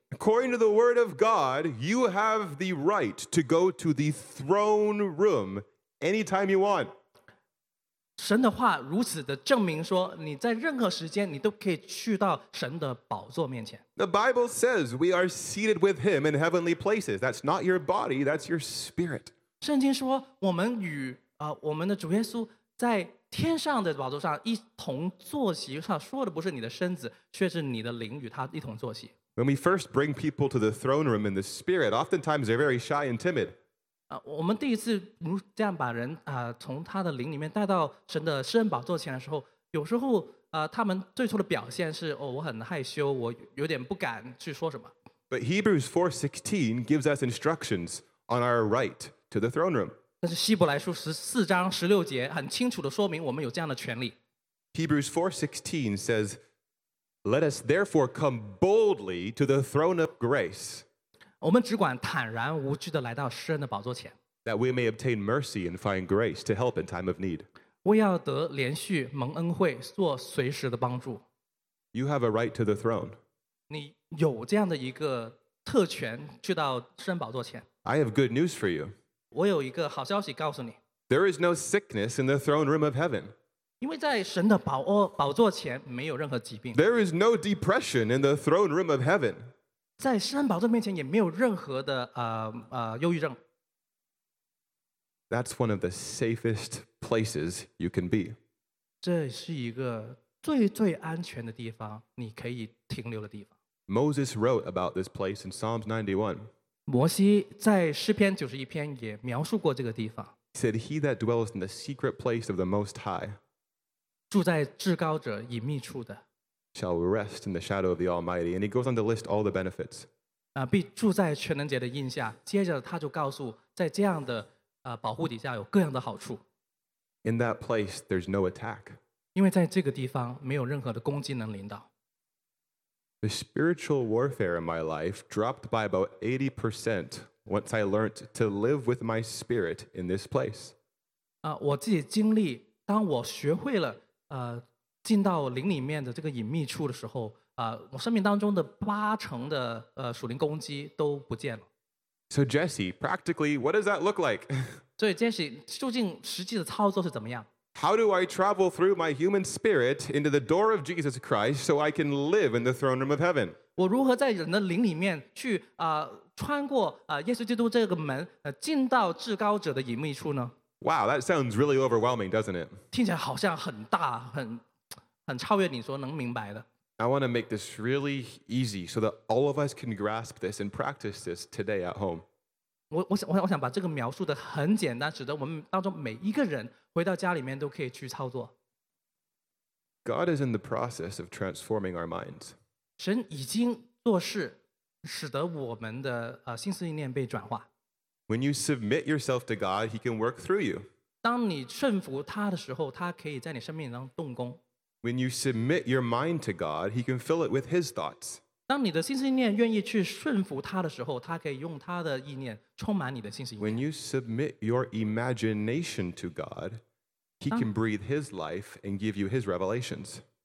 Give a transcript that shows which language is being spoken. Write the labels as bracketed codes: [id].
[en] According to the word of God, you have the right to go to the throne room anytime you want. [zh] 神的话如此的证明说，你在任何时间你都可以去到神的宝座面前。 [en] The Bible says we are seated with him in heavenly places. That's not your body, that's your spirit. [zh] 圣经说我们与我们的主耶稣在天上的宝座上一同坐席上，说的不是你的身子，却是你的灵与他一同坐席。 [en] When we first bring people to the throne room in the spirit, oftentimes they're very shy and timid. [zh] 我们第一次如这样把人从他的灵里面带到神的施恩宝座前的时候，有时候他们最初的表现是我很害羞，我有点不敢去说什么。 [en] But Hebrews 4:16 gives us instructions on our right to the throne room. [zh] 但是希伯来书十四章十六节很清楚地说明我们有这样的权利。 [en] Hebrews 4:16 says, "Let us therefore come boldly to the throne of grace." [zh] 我们只管坦然无惧地来到施恩的宝座前。 [en] That we may obtain mercy and find grace to help in time of need. [zh] 为要得连续蒙恩惠，做随时的帮助。 [en] You have a right to the throne. [zh] 你有这样的一个特权去到施恩宝座前。 [en] I have good news for you. [zh] 我有一个好消息告诉你。 [en] There is no sickness in the throne room of heaven. [zh] 因为在神的宝座前没有任何疾病。 [en] There is no depression in the throne room of heaven. [zh] 在施恩宝座面前也没有任何的忧郁症。 [en] That's one of the safest places you can be. [zh] 这是一个最最安全的地方，你可以停留的地方。 [en] Moses wrote about this place in Psalms 91. [zh] 摩西在诗篇九十一篇也描述过这个地方。 [en] Said he that dwells in the secret place of the Most High, [zh] 住在至高者隐秘处的 [en] shall rest in the shadow of the Almighty, and he goes on to list all the benefits. [zh] 必住在全能者的荫下。接着他就告诉，在这样的保护底下有各样的好处。 [en] In that place, there's no attack. [zh] 因为在这个地方没有任何的攻击能临到。 [en] The spiritual warfare in my life dropped by about 80% once I learned to live with my spirit in this place. [zh] 我自己经历，当我学会了进到灵里面的这个隐秘处的时候，我生命当中的八成的属灵攻击都不见了。 [en] So Jesse, practically, what does that look like? [zh] 所以 Jesse, 究竟实际的操作是怎么样？ [en] How do I travel through my human spirit into the door of Jesus Christ so I can live in the throne room of heaven? [zh] 我如何在人的灵里面去穿过耶稣基督这个门，进到至高者的隐秘处呢？ [en] Wow, that sounds really overwhelming, doesn't it? [zh] 听起来好像很大，很超越你所能明白的。 [en] I want to make this really easy so that all of us can grasp this and practice this today at home. [zh] 我想把这个描述的很简单，使得我们当中每一个人回到家里面都可以去操作。 [en] God is in the process of transforming our minds. [zh] 神已经做事，使得我们的心思意念被转化。 [en] When you submit yourself to God, He can work through you. [zh] 当你顺服他的时候，他可以在你生命当中动工。 [en] When you submit your mind to God, He can fill it with His thoughts. [zh] 当你的心思意念愿意去顺服他的时候，他可以用他的意念充满你的心思意念。 [en] When you submit your imagination to God, He can breathe His life and give you His revelations.